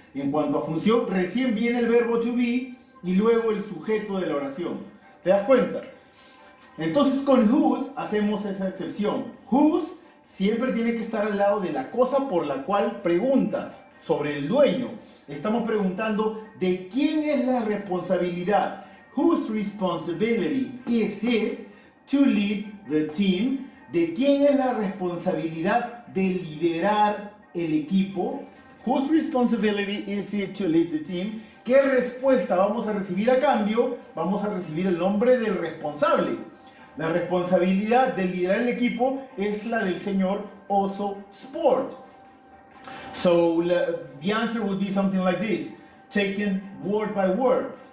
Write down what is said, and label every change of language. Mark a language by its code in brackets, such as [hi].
[es] En cuanto a función, recién viene el verbo to be y luego el sujeto de la oración. ¿Te das cuenta? Entonces, con whose hacemos esa excepción. Whose siempre tiene que estar al lado de la cosa por la cual preguntas, sobre el dueño. Estamos preguntando de quién es la responsabilidad. [en] Whose responsibility is it to lead the team? [es] ¿De quién es la responsabilidad de liderar el equipo? [en] Whose responsibility is it to lead the team? [es] ¿Qué respuesta vamos a recibir a cambio? Vamos a recibir el nombre del responsable. La responsabilidad de liderar el equipo es la del señor Oso Sport. [en] So, the answer would be something like this, taken word by word.